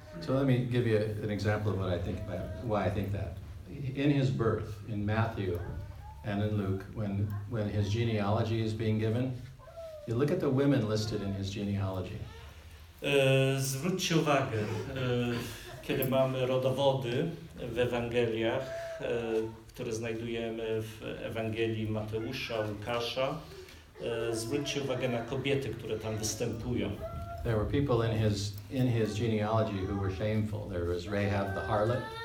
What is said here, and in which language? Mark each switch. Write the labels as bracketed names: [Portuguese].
[English] So let me give you an example of what I think about, why I think that. In his birth, in Matthew and in Luke, when his genealogy is being given, you look at the women listed in his genealogy. [Polish] Zwróćcie uwagę, kiedy mamy rodowody w Ewangeliach, które znajdujemy w Ewangelii Mateusza, Łukasza, zwróćcie uwagę na kobiety, które tam występują. [English] There were people in his genealogy who were shameful. There was Rahab the harlot.